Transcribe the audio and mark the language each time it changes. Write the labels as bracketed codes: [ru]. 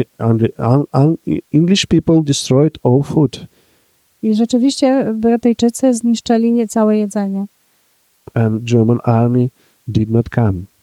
[en] And English people destroyed all food. [pl] I rzeczywiście Brytyjczycy zniszczyli niecałe jedzenie. [en] And German army did not come.